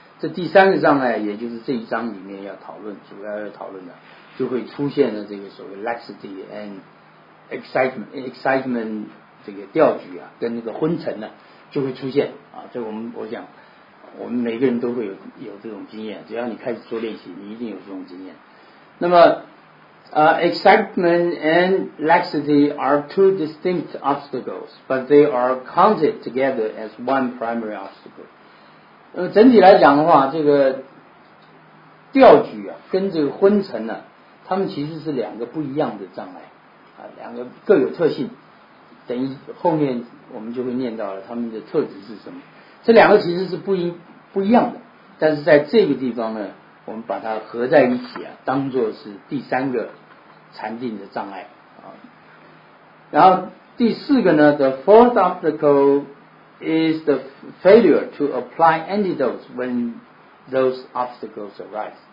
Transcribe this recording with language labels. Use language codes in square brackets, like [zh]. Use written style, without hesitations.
[zh] 这第三个障碍也就是这一章里面要讨论，主要要讨论的就会出现了这个所谓 laxity andexcitement 这个调举啊，跟那个昏沉呢、就会出现这我想我们每个人都会有这种经验，只要你开始做练习你一定有这种经验。那么 [en] excitement and laxity are two distinct obstacles but they are counted together as one primary obstacle。 [zh] 整体来讲的话，这个调举啊跟这个昏沉呢、他们其实是两个不一样的障碍两个各有特性，等于后面我们就会念到了他们的特质是什么。这两个其实是不一样的，但是在这个地方呢，我们把它合在一起当作是第三个禅定的障碍然后第四个呢 ， [en] The fourth obstacle is the failure to apply antidotes when those obstacles arise。